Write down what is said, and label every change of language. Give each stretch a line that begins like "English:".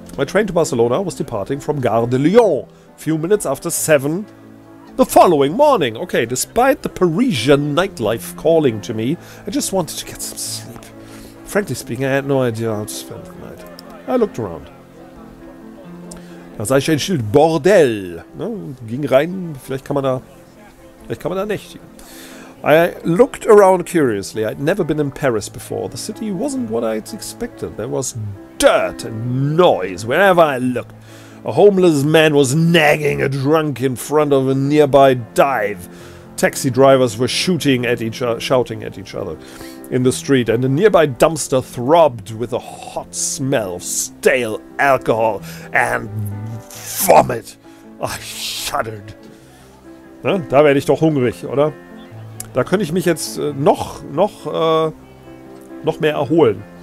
English: My train to Barcelona was departing from Gare de Lyon a few minutes after 7 the following morning. Okay, despite the Parisian nightlife calling to me, I just wanted to get some sleep. Frankly speaking, I had no idea how to spend the night. I looked around.
German: Da sah ich ein Schild, Bordell. Ne, ging rein, vielleicht kann man da nächtigen.
English: I looked around curiously. I'd never been in Paris before. The city wasn't what I'd expected. There was dirt and noise wherever I looked. A homeless man was nagging a drunk in front of a nearby dive. Taxi drivers were shouting at each other in the street, and a nearby dumpster throbbed with a hot smell of stale alcohol and vomit. I shuddered.
German: Ne? Da werde ich doch hungrig, oder? Da könnte ich mich jetzt noch mehr erholen.